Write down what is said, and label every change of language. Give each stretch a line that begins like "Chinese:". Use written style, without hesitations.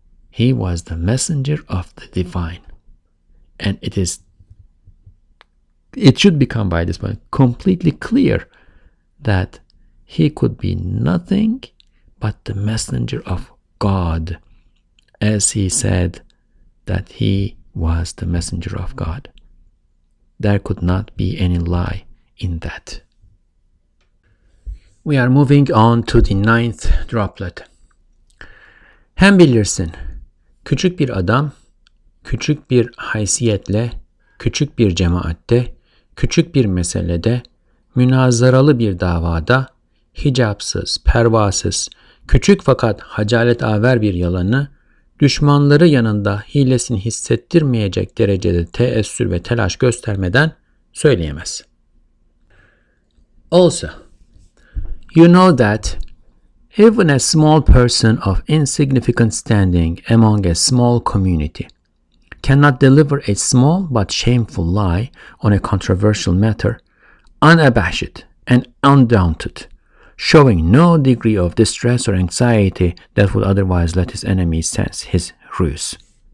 English: He was the messenger of the divine. And it should become by this point completely clear that he could be nothing but the messenger of God, as he said that he was the messenger of God. There could not be any lie in that. We are moving on to the 9th droplet.
Turkish: Hem bilirsin, küçük bir adam, küçük bir haysiyetle, küçük bir cemaatte, küçük bir meselede, münazaralı bir davada, hicapsız, pervasız, küçük fakat hacaletaver bir yalanı, düşmanları yanında hilesini hissettirmeyecek derecede teessür ve telaş göstermeden söyleyemez.
English: Also, you know that even a small person of insignificant standing among a small community cannot deliver a small but shameful lie on a controversial matter unabashed and undaunted, showing no degree of distress or anxiety that would otherwise let his enemies sense his ruse.